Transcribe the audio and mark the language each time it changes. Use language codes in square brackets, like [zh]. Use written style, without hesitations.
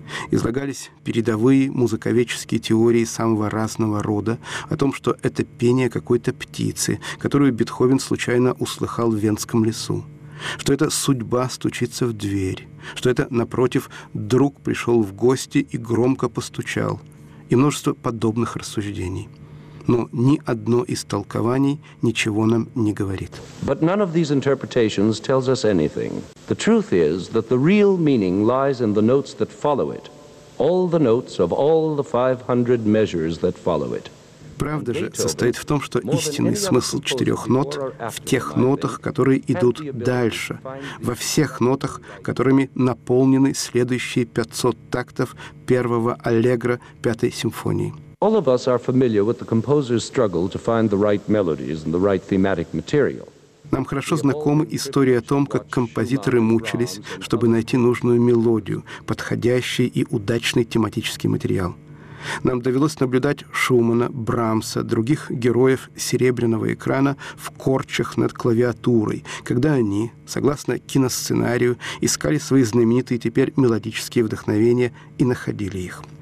[ru] Излагались передовые музыковедческие теории самого разного рода о том, что это пение какой-то птицы, которую Бетховен случайно услыхал в Венском лесу. Что это судьба стучится в дверь. Что это, напротив, друг пришел в гости и громко постучал. И множество подобных рассуждений. Но ни одно из толкований ничего нам не говорит. [en] But none of these interpretations tells us anything. The truth is that the real meaning lies in the notes that follow it. All the notes of all the 500 measures that follow it. [ru] Правда же состоит в том, что истинный смысл четырех нот в тех нотах, которые идут дальше, во всех нотах, которыми наполнены следующие 500 тактов первого аллегро Пятой симфонии. [en] All of us are familiar with the composer's struggle to find the right melodies and the right thematic material. [ru] Нам хорошо знакома история о том, как композиторы мучились, чтобы найти нужную мелодию, подходящий и удачный тематический материал. Нам довелось наблюдать Шумана, Брамса, других героев серебряного экрана в корчах над клавиатурой, когда они, согласно киносценарию, искали свои знаменитые теперь мелодические вдохновения и находили их.